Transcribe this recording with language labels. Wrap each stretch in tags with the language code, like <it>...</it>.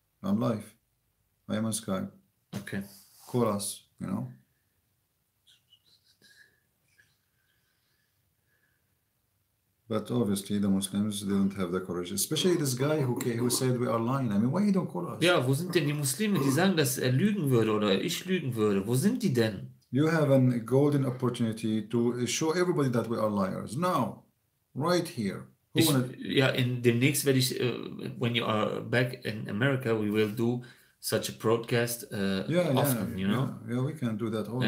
<en>I'm live. I am on Skype. Okay. Call us, you know. But obviously the Muslims didn't have the courage, especially this guy who said we are lying. I mean, why you don't call us?</en> <de>Ja, wo sind denn die Muslime, die sagen, dass er lügen würde oder ich lügen würde? Wo sind die denn?</de> <en>You have a golden opportunity to show everybody that we are liars. Now, right here.</en> <de>Demnächst werde ich,</de> <en>when you are back in America, we will do such a broadcast often, you know? Yeah, we can do that always.</en>